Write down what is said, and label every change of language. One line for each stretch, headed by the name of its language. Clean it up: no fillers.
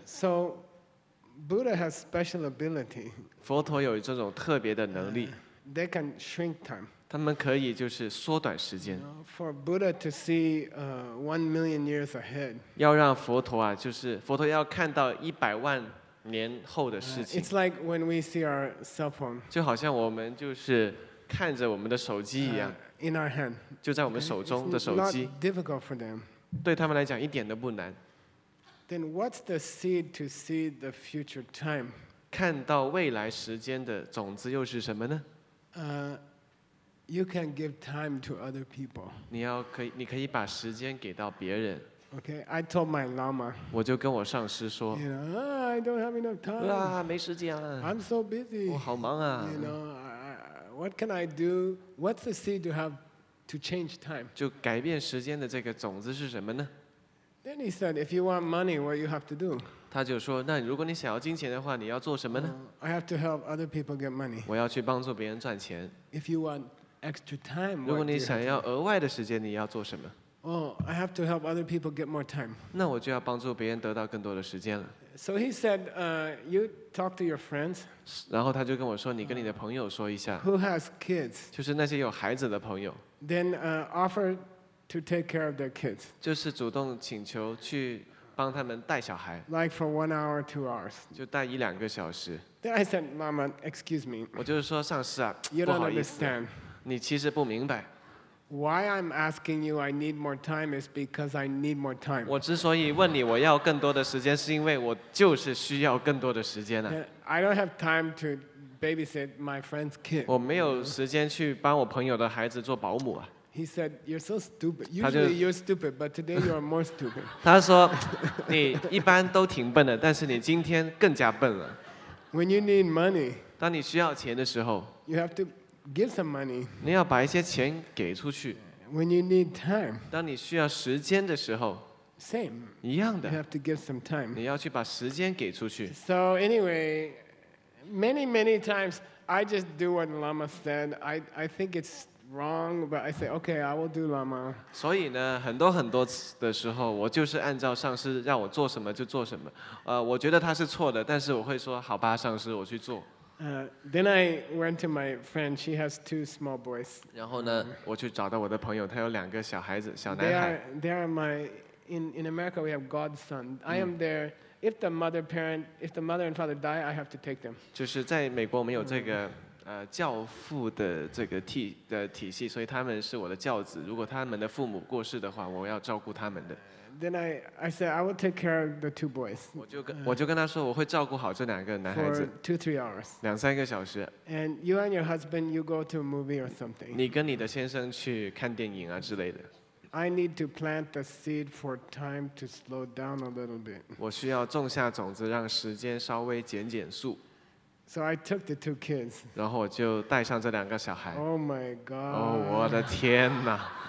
English: So, Buddha has special ability.
Chinese: 佛陀有这种特别的能力。
English: They can shrink time.
Chinese: 他们可以就是缩短时间。
English: For Buddha to see 1,000,000 years ahead.
Chinese: 要让佛陀啊，就是佛陀要看到100万年后的事情。
English: It's like when we see our cell phone.
Chinese: 就好像我们就是看着我们的手机一样。
English: In our hand.
Chinese: 就在我们手中的手机。
English: It's not difficult for them.
Chinese: 对他们来讲一点都不难。
English: Then what's the seed to see the future time?
Chinese: 看到未来时间的种子又是什么呢？
English: You can give time to other people.
Chinese: 你可以把时间给到别人。
English: Okay, I told my lama.
Chinese: 我就跟我上师说。
English: You know, I don't have enough time.
Chinese: 啊，没时间啊。
English: I'm so busy.
Chinese: 我好忙啊。
English: You know, what can I do? What's the seed to have? To change time.
Chinese: 就改变时间的这个种子是什么呢？
English: Then he said, if you want money, what do you have to do?
Chinese: 他就说，那如果你想要金钱的话，你要做什么呢？
English: I have to help other people get money.
Chinese: 我要去帮助别人赚钱。
English: If you want extra time,
Chinese: 如果你想要额外的时间，你要做什么？
English: Oh, I have to help other people get more time.
Chinese: 那我就要帮助别人得到更多的时间了。
English: So he said, you talk to your friends.
Chinese: 然后他就跟我说，你跟你的朋友说一下。
English: Who has kids?
Chinese: 就是那些有孩子的朋友。
English: Then offer to take care of their kids.
Chinese: 就是主动请求去帮他们带小孩。
English: Like for 1 hour, 2 hours.
Chinese: 就带一两个小时。
English: Then I said, Mama, excuse me.
Chinese: 我就是说上师啊，不好意思。你其实不明白。
English: Why I'm asking you, I need more time, is because I need more time.
Chinese: 我之所以问你我要更多的时间，是因为我就是需要更多的时间啊。
English: I don't have time to. Babysit my friend's kid.
Chinese: 我没有时间去帮我朋友的孩子做保姆啊。
English: He said, "You're so stupid. Usually you're stupid, but today you're more stupid."
Chinese: 他说，你一般都挺笨的，但是你今天更加笨了。
English: When you need money,
Chinese: 当你需要钱的时候
English: ，you have to give some money.
Chinese: 你要把一些钱给出去。
English: When you need time,
Chinese: 当你需要时间的时候。
English: Same.
Chinese: 一样的。
English: You have to give some time.
Chinese: 你要去把时间给出去。
English: So anyway. Many, many times, I just do what Lama said. I think it's wrong, but I say, okay, I will do Lama.
Chinese: 所以呢，很多很多的时候，我就是按照上师让我做什么就做什么。我觉得他是错的，但是我会说，好吧，上师，我去做。
English: Then I went to my friend. She has 2 small boys.
Chinese: 然后呢，我去找到我的朋友，他有两个小孩子，小男孩。
English: They are my in America. We have godson. I am there. If the mother parent, if the mother and father die, I have to take them.
Chinese: 就是在美国，我们有这个教父的这个体系，所以他们是我的教子。如果他们的父母过世的话，我要照顾他们的。
English: Then I said I will take care of the 2 boys.
Chinese: 我就跟他说我会照顾好这两个男孩子。
English: For 2-3 hours.
Chinese: 两三个小时。
English: And you and your husband, you go to a movie or something.
Chinese: 你跟你的先生去看电影啊之类的。
English: I need to plant the seed for time to slow down a little bit.
Chinese: 我需要种下种子，让时间稍微减减速。
English: So I took the 2 kids.
Chinese: 然后我就带上这两个小孩。
English: Oh my God!
Chinese: 哦，我的天哪